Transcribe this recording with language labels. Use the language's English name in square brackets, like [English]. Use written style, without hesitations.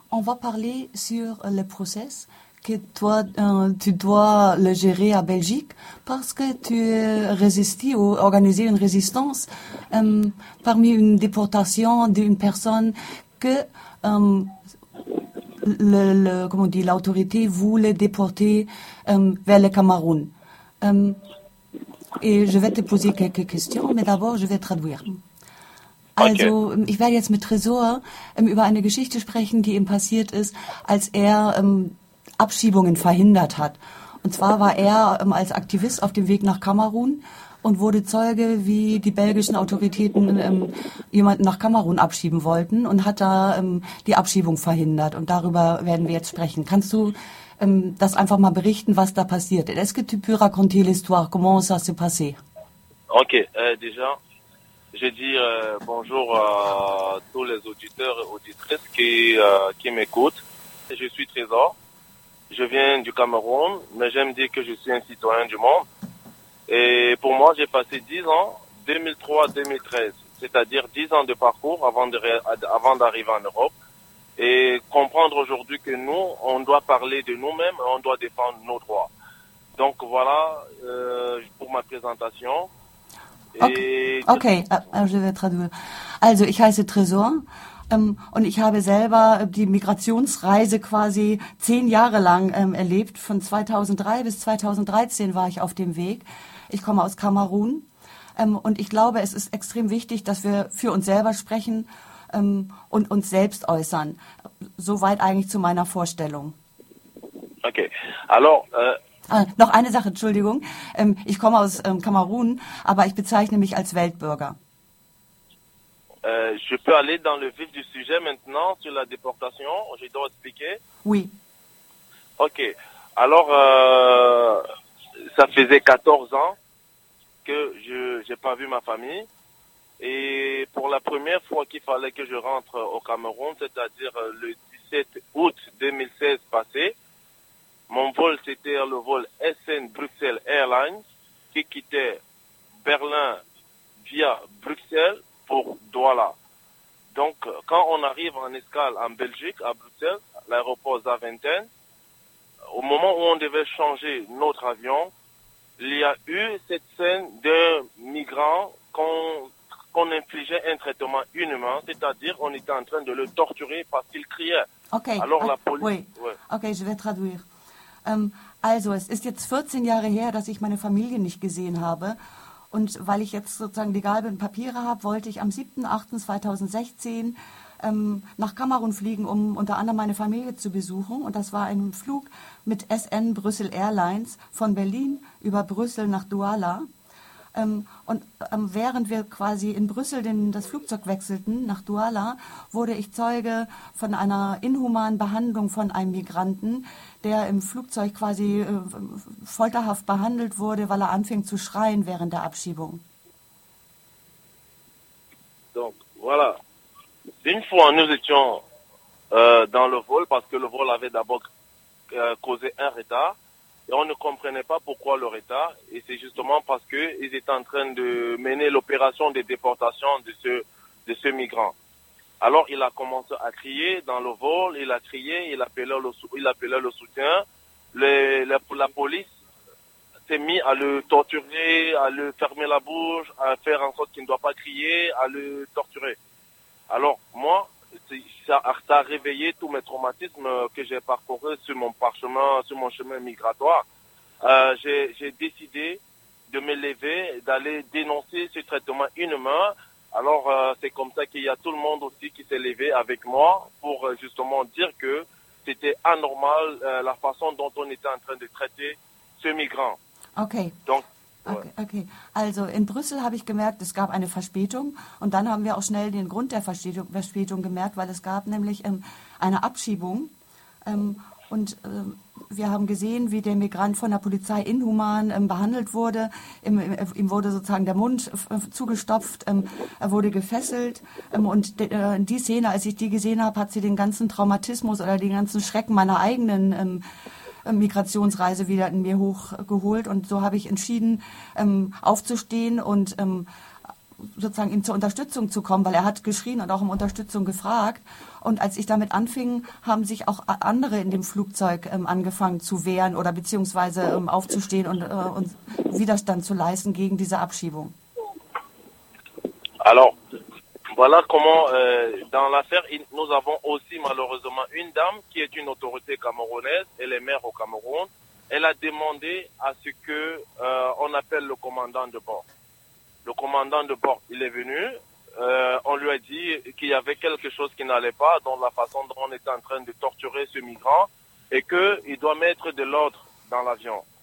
[French] on va parler sur le process que toi, tu dois le gérer à Belgique parce que tu résistis ou organisais une résistance parmi une déportation d'une personne que comment on dit, l'autorité voulait déporter vers le Cameroun. Et je vais te poser quelques questions, mais d'abord je vais traduire. Okay. [German] Also, ich werde jetzt mit Tresor über eine Geschichte sprechen, die ihm passiert ist, als er Abschiebungen verhindert hat. Und zwar war er als Aktivist auf dem Weg nach Kamerun und wurde Zeuge, wie die belgischen Autoritäten jemanden nach Kamerun abschieben wollten und hat da die Abschiebung verhindert. Und darüber werden wir jetzt sprechen. Kannst du das einfach mal berichten, was da passiert. [French] Est-ce que tu peux raconter l'histoire? Comment ça s'est passé? Ok, déjà, je dis bonjour à tous les auditeurs et auditrices qui m'écoutent. Je suis Trésor, je viens du Cameroun, mais j'aime dire que je suis un citoyen du monde. Et pour moi, j'ai passé 10 ans, 2003-2013, c'est-à-dire 10 ans de parcours avant d'arriver en Europe. Et comprendre aujourd'hui que nous, on doit parler de nous-mêmes, on doit défendre nos droits. Donc voilà pour ma présentation. Et Okay, je vais traduire. [German] Also, ich heiße Tresor und ich habe selber die Migrationsreise quasi 10 Jahre lang erlebt. Von 2003 bis 2013 war ich auf dem Weg. Ich komme aus Kamerun und ich glaube, es ist extrem wichtig, dass wir für uns selber sprechen und uns selbst äußern. Soweit eigentlich zu meiner Vorstellung. [French] Okay, alors, [German] Ah, noch eine Sache, Entschuldigung. Ich komme aus Kamerun, aber ich bezeichne mich als Weltbürger. [French] je peux aller dans le vif du sujet maintenant sur la déportation. Je dois expliquer. Oui. Ok, alors, ça faisait 14 ans que je n'ai pas vu ma famille. Et pour la première fois qu'il fallait que je rentre au Cameroun, c'est-à-dire le 17 août 2016 passé, mon vol, c'était le vol SN Bruxelles Airlines qui quittait Berlin via Bruxelles pour Douala. Donc, quand on arrive en escale en Belgique, à Bruxelles, l'aéroport Zaventem, au moment où on devait changer notre avion, il y a eu cette scène d'un migrant qu'on infligeait un traitement inhumain, c'est-à-dire on était en train de le torturer parce qu'il criait. Ok, Alors la police, oui. ouais. Ok, je vais traduire. [German] Also, es ist jetzt 14 Jahre her, dass ich meine Familie nicht gesehen habe. Und weil ich jetzt sozusagen legal bin, Papiere habe, wollte ich am 7.8.2016 nach Kamerun fliegen, um unter anderem meine Familie zu besuchen. Und das war ein Flug mit SN Brüssel Airlines von Berlin über Brüssel nach Douala. Und während wir quasi in Brüssel das Flugzeug wechselten nach Douala, wurde ich Zeuge von einer inhumanen Behandlung von einem Migranten, der im Flugzeug quasi folterhaft behandelt wurde, weil er anfing zu schreien während der Abschiebung. [French] Donc, voilà. Une fois, nous étions dans le vol, parce que le vol avait d'abord causé un retard, et on ne comprenait pas pourquoi le retard, et c'est justement parce qu'ils étaient en train de mener l'opération de déportation de ce migrant. Alors, il a commencé à crier dans le vol, il a crié, il appelait le soutien. La police s'est mise à le torturer, à le fermer la bouche, à faire en sorte qu'il ne doit pas crier, à le torturer. Alors, moi, ça a réveillé tous mes traumatismes que j'ai parcourus sur mon chemin migratoire. J'ai décidé de me lever, d'aller dénoncer ce traitement inhumain. Alors, c'est comme ça qu'il y a tout le monde aussi qui s'est levé avec moi pour justement dire que c'était anormal, la façon dont on était en train de traiter ce migrant. Ok. Donc, Okay. [German] Also in Brüssel habe ich gemerkt, es gab eine Verspätung und dann haben wir auch schnell den Grund der Verspätung gemerkt, weil es gab nämlich eine Abschiebung und wir haben gesehen, wie der Migrant von der Polizei inhuman behandelt wurde. Ihm wurde sozusagen der Mund zugestopft, er wurde gefesselt und die Szene, als ich die gesehen habe, hat sie den ganzen Traumatismus oder den ganzen Schrecken meiner eigenen Migrationsreise wieder in mir hochgeholt und so habe ich entschieden, aufzustehen und sozusagen ihm zur Unterstützung zu kommen, weil er hat geschrien und auch um Unterstützung gefragt und als ich damit anfing, haben sich auch andere in dem Flugzeug angefangen zu wehren oder beziehungsweise aufzustehen und Widerstand zu leisten gegen diese Abschiebung. [French] Alors, voilà comment dans l'affaire, nous avons aussi malheureusement une dame qui est une autorité camerounaise, elle est maire au Cameroun, elle a demandé à ce que on appelle le commandant de bord. Le commandant de bord, il est venu, on lui a dit qu'il y avait quelque chose qui n'allait pas dans la façon dont on était en train de torturer ce migrant et qu'il doit mettre de l'ordre dans l'avion.